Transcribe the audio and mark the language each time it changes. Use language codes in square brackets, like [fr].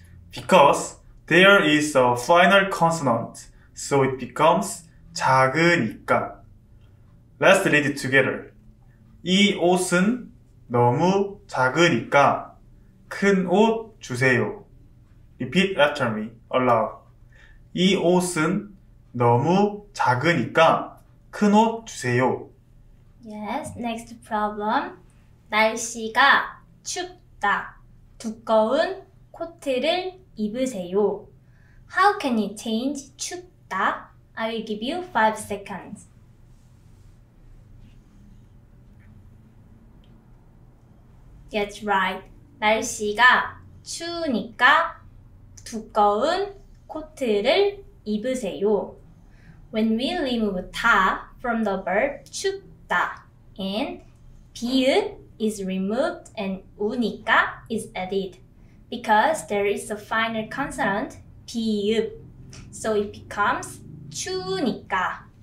[en] Because there is a final consonant, so it becomes 작으니까. Let's read it together. [ko] 이 옷은 너무 작으니까 큰 옷 주세요. [en] Repeat after me aloud. [ko] 이 옷은 너무 작으니까 큰 옷 주세요. [en] Yes, next problem. [ko] 날씨가 춥다. 두꺼운 코트를 입으세요. [en] How can you change 춥다? I will give you 5 seconds. That's right. [ko] 날씨가 추우니까 두꺼운 코트를 입으세요. [en] When we remove 다 from the verb 춥다 and 비읍 is removed and 우니까 is added because there is a final consonant 비읍, so it becomes 추우니까.